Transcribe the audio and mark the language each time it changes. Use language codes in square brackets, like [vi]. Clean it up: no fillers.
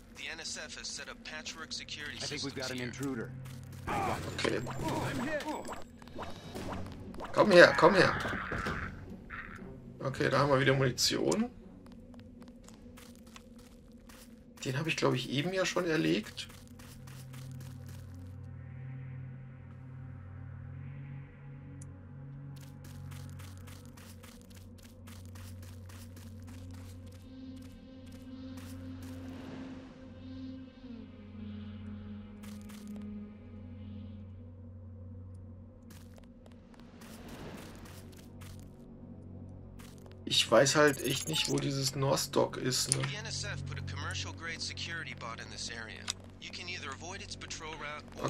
[en] The NSF has set up patchwork security systems. I think we've got an intruder. Okay. [de] Komm her, komm her. Okay, da haben wir wieder Munition. Den habe ich, glaube ich, eben ja schon erlegt. Ich weiß halt echt nicht, wo dieses Nordstock ist, ne? [en] Die NSF put a commercial grade security bot in this area. You can either avoid its patrol route or...